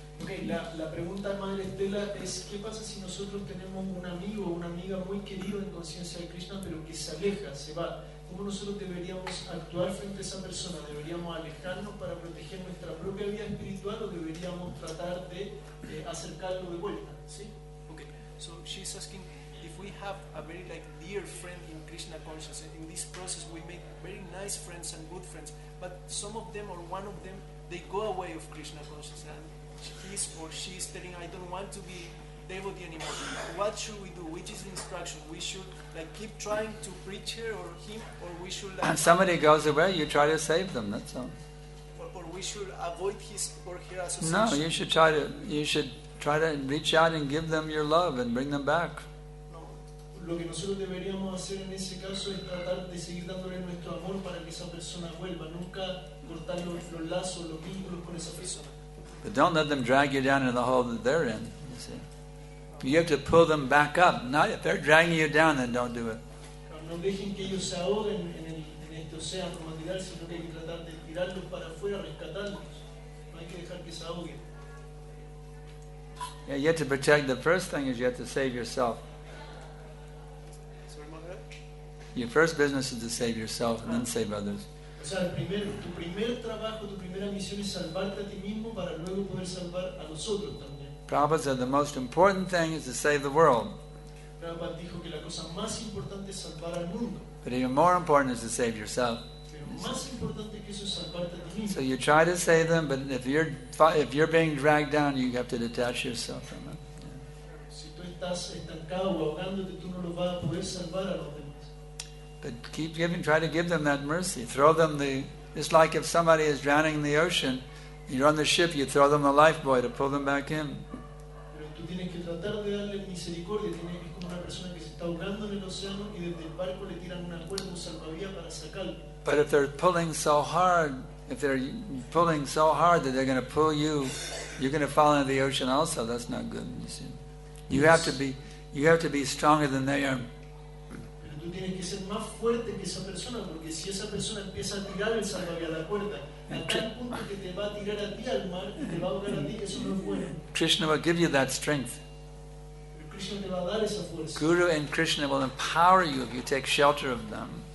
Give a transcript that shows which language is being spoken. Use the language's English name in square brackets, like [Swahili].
[Spanish] Okay, la pregunta de Madre Estela es ¿qué pasa si nosotros tenemos un amigo o una amiga muy querido en conciencia de Krishna pero que se aleja, se va? ¿Cómo nosotros deberíamos actuar frente a esa persona? ¿Deberíamos alejarnos para proteger nuestra propia vida espiritual o deberíamos tratar de acercarlo de vuelta? ¿Sí? [English] Okay, so she's asking if we have a very like dear friend in Krishna consciousness, in this process we make very nice friends and good friends, but some of them or one of them, they go away of Krishna consciousness and he's or she's telling, I don't want to be devotee anymore. What should we do? Which is the instruction? We should like keep trying to preach her or him, or we should like... And somebody goes away, you try to save them, that's all. Or we should avoid his or her association? No, you should try to reach out and give them your love and bring them back. [Spanish] Lo que nosotros deberíamos hacer en ese caso es tratar de seguir dándole nuestro amor para que esa persona vuelva. Nunca cortar los lazos, los vínculos con esa persona. [English] But don't let them drag you down in the hole that they're in. You see, you have to pull them back up. Now, if they're dragging you down, then don't do it. [Spanish] No dejen que ellos se ahoguen en este océano material, sino que hay que tratar de tirarlos para afuera, rescatarlos. No hay que dejar que se ahoguen. [English] Yeah, you have to protect. The first thing is you have to save yourself. Sorry, Mother. Your first business is to save yourself and then save others. [Spanish] O sea, tu primer trabajo, tu primera misión es salvarte a ti mismo para luego poder salvar a los otros también. [English] Prabhupada said the most important thing is to save the world. [Spanish] Prabhupada dijo que la cosa más importante es salvar al mundo. [English] But even more important is to save yourself. [Spanish] Más importante que eso es salvarte a ti mismo. [English] So you try to save them, but if you're being dragged down, you have to detach yourself from them. [Spanish] Si tú estás estancado o ahogándote, tú no lo vas a poder salvar a los demás. [English] But keep giving, try to give them that mercy. Throw them the, it's like if somebody is drowning in the ocean, you're on the ship, you throw them the lifebuoy to pull them back in. [Spanish] Pero tú tienes que tratar de darle misericordia, tienes que como una persona que se está ahogando en el océano y desde el barco le tiran una cuerda, un salvavidas para sacarlo. [English] But if they're pulling so hard that they're going to pull you, you're going to fall into the ocean also. That's not good. You see, you have to be stronger than they are. [Spanish] Pero tú tienes que ser más fuerte que esa persona, porque si esa persona empieza a tirar el salvavidas a la cuerda, a tal punto que te va a tirar a ti al mar, te va a ahogar a ti, eso no es bueno. [English] Krishna will give you that strength. [Spanish] Krishna te va a dar esa fuerza. [English] Guru and Krishna will empower you if you take shelter of them.